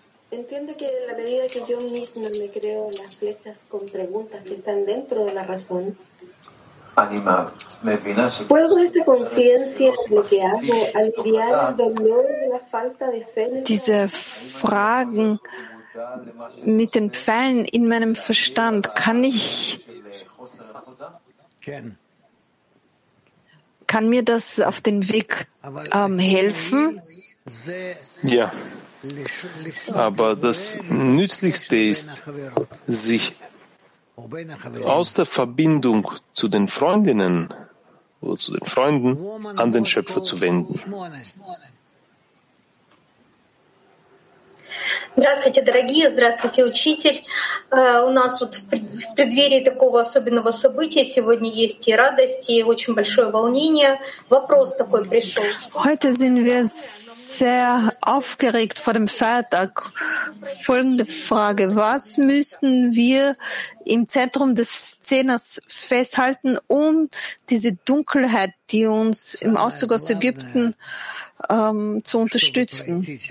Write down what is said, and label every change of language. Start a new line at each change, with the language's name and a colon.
Spanish: Entiendo que en la medida que yo mismo me creo las flechas con preguntas que están dentro de la razón, ¿puedo esta conciencia bloquearme, aliviar el dolor de la falta de fe?
German: Diese Fragen mit den Pfeilen in meinem Verstand, kann mir das auf den Weg helfen? Ja, aber das Nützlichste ist, sich aus der Verbindung zu den Freundinnen oder zu den Freunden an den Schöpfer zu wenden.
Russian: Здравствуйте, дорогие, здравствуйте, учитель. У нас вот в преддверии такого особенного события сегодня есть и радость, и очень большое волнение. Вопрос такой пришел.
German: Heute sind wir sehr aufgeregt vor dem Feiertag. Folgende Frage: Was müssen wir im Zentrum des Zehners festhalten, um diese Dunkelheit, die uns im Auszug aus Ägypten zu unterstützen?